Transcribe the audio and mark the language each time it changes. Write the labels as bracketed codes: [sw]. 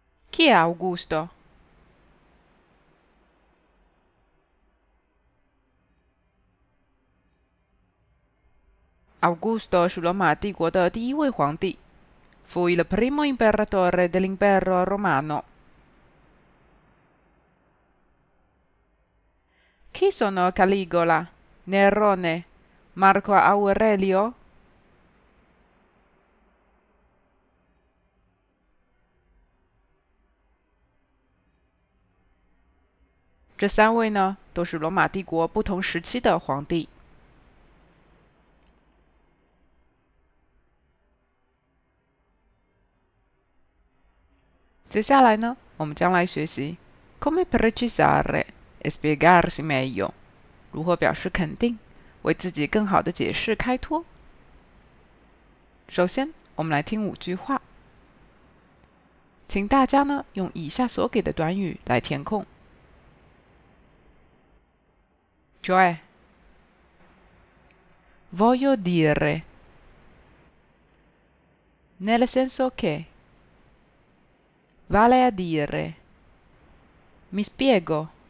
[it] Chi è Augusto? [zh] Augusto 是罗马帝国的第一位皇帝。 [it] Fu il primo imperatore dell'impero romano. Chi sono Caligola, Nerone, Marco Aurelio? Questi [zh] 三位呢，都是罗马帝国不同时期的皇帝。接下来呢，我们将来学习 [it] come precisare e spiegarsi meglio， [zh] 如何表示肯定，为自己更好的解释开脱。首先，我们来听五句话，请大家呢用以下所给的短语来填空。 [it] Cioè, voglio dire, nel senso che. Vale a dire. Mi spiego.